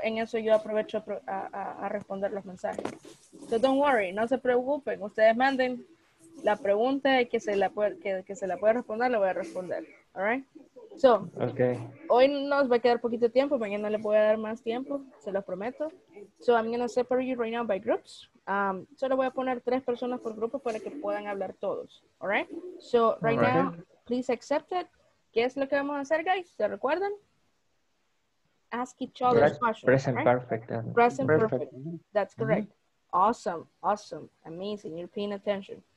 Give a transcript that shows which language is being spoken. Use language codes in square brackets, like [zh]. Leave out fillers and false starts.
[es] en eso yo aprovecho a responder los mensajes. [en] So, don't worry, [es] no se preocupen. Ustedes manden la pregunta y que se la pueda responder, la voy a responder. [en] All right? So, okay. [es] Hoy nos va a quedar poquito tiempo, mañana le voy a dar más tiempo, se los prometo. [en] So, I'm going to separate you right now by groups. [es] Solo voy a poner 3 personas por grupo para que puedan hablar todos. [en] All right? So, right all now, right. Please accept it. [es] ¿Qué es lo que vamos a hacer, guys? ¿Se recuerdan? [en] Ask each other questions. Present right? Perfect. Present perfect. That's correct. Mm-hmm. Awesome. Awesome. Amazing. You're paying attention.